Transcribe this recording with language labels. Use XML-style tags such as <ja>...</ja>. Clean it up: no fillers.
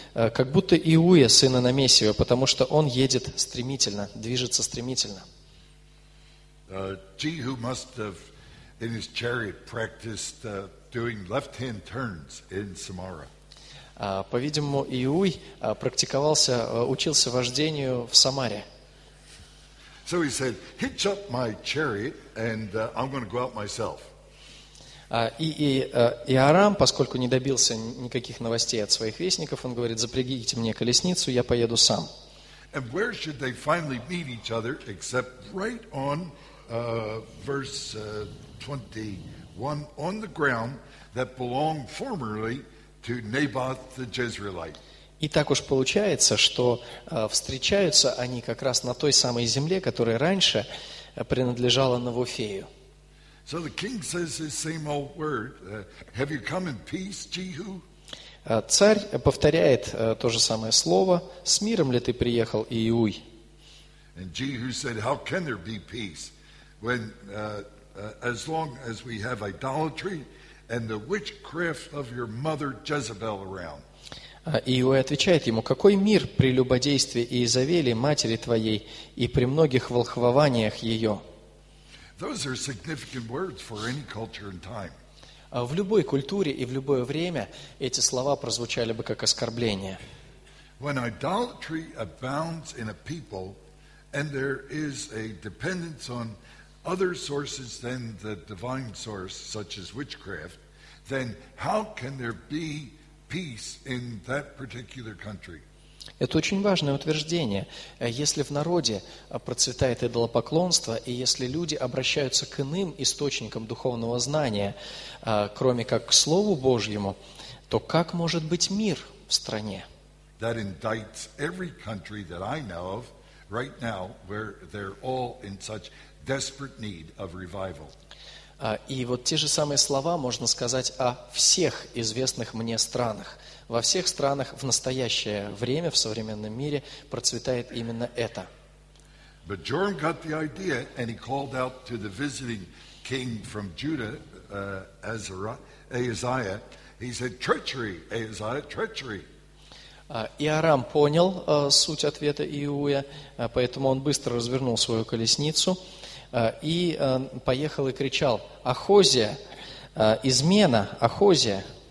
<ru>Как будто Иуя, сына Намесиева, потому что он едет стремительно, движется стремительно.</ru> <en>Jehu must have in his chariot practiced doing left-hand turns in Samara.</en> <ru>По-видимому, Иуй практиковался, учился вождению в Самаре.</ru> <en>So he said, "Hitch up my chariot, and I'm going to go out myself."</en> <ru>Иорам, поскольку не добился никаких новостей от своих вестников, он говорит: "Запрягите мне колесницу, я поеду сам."</ru> <en>And where should they finally meet each other except right on verse 21 on the ground that belonged formerly to Naboth the Jezreelite?</en> <ru>И так уж получается, что встречаются они как раз на той самой земле, которая раньше принадлежала Навуфею.</ru> <en>So the king says this same old word, have you come in peace, Jehu?</en> <ru>Царь повторяет то же самое слово, с миром ли ты приехал, Иуй?</ru> <en>And Jehu said, how can there be peace when as long as we have idolatry and the witchcraft of your mother Jezebel around?</en> <ru>Иуй отвечает ему, какой мир при любодействе Иезавели, матери твоей, и при многих волхвованиях ее?</ru> <en>Those are significant words for any culture and time.</en> <ru>В любой культуре и в любое время эти слова прозвучали бы как оскорбление.</ru> <en>When idolatry abounds in a people, and there is a dependence on other sources than the divine source, such as witchcraft, then how can there be peace in that particular country?</en> <ru>Это очень важное утверждение. Если в народе процветает идолопоклонство, и если люди обращаются к иным источникам духовного знания, кроме как к Слову Божьему, то как может быть мир в стране?</ru> <en>That indicts every country that I know of right now, where they're all in such desperate need of revival.</en> <ru>И вот те же самые слова можно сказать о всех известных мне странах. Во всех странах в настоящее время, в современном мире, процветает именно это.</ru> <en>But Joram got the idea, and he called out to the visiting king from Judah, Ahaziah. He said, treachery, Ahaziah, treachery.</en> <ru>Иорам понял суть ответа Иуя, поэтому он быстро развернул свою колесницу и поехал и кричал, Ахозия, измена, Ахозия.</ru>